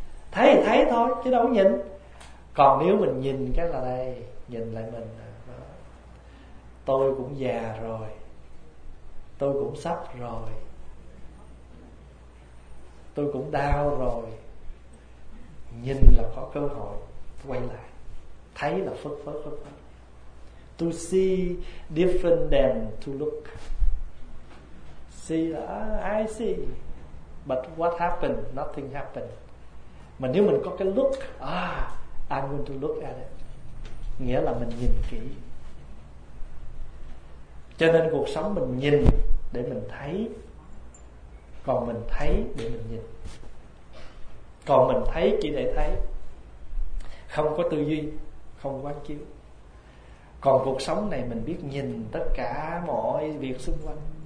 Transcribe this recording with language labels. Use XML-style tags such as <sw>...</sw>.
<vi>Thấy thì thấy thôi, chứ đâu có nhìn. Còn nếu mình nhìn cái là đây, nhìn lại mình. Đó. Tôi cũng già rồi, tôi cũng sắp rồi, tôi cũng đau rồi. Nhìn là có cơ hội quay lại. Thấy là phớt phớt phớt phớt.</vi> <en>To see different than to look. See là I see, but what happened? Nothing happened.</en> <vi>Mà nếu mình có cái</vi> <en>look, I'm going to look at it.</en> <vi>Nghĩa là mình nhìn kỹ. Cho nên cuộc sống mình nhìn để mình thấy, còn mình thấy để mình nhìn. Còn mình thấy chỉ để thấy, không có tư duy, không quán chiếu. Còn cuộc sống này mình biết nhìn tất cả mọi việc xung quanh.</vi>